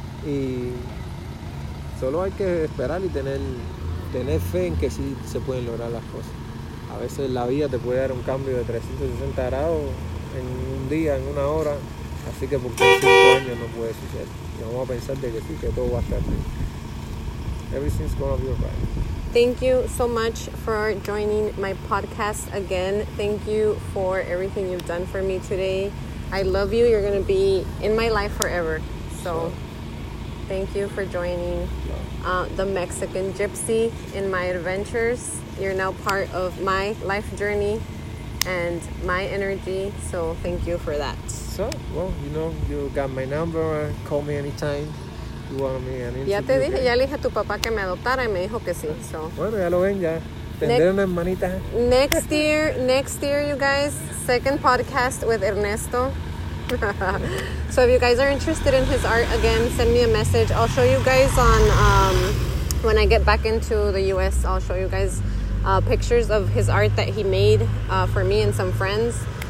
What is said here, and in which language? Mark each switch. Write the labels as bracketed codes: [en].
[es] Y solo hay que esperar y tener fe en que sí se pueden lograr las cosas. A veces la vida te puede dar un cambio de 360 grados en un día, en una hora. Así que por 5 años no puede suceder. Y vamos a pensar de que sí, que todo va a estar bien. [en] Everything's gonna be alright. Thank you so much for joining my podcast again. Thank you for everything you've done for me today. I love you. You're gonna be in my life forever. So. Thank you for joining the Mexican Gypsy in my adventures. You're now part of my life journey and my energy, so thank you for that. So, well, you know, you got my number. Call me anytime. You want me an interview? [es] Ya te dije, ya le dije a tu papá que me adoptara y me dijo que sí. [en] So. [es] Bueno, ya lo ven, ya. Tendré una hermanita. [en] Next year, you guys, second podcast with Ernesto. So if you guys are interested in his art, again, send me a message. I'll show you guys on when I get back into the U.S. I'll show you guys pictures of his art that he made for me and some friends.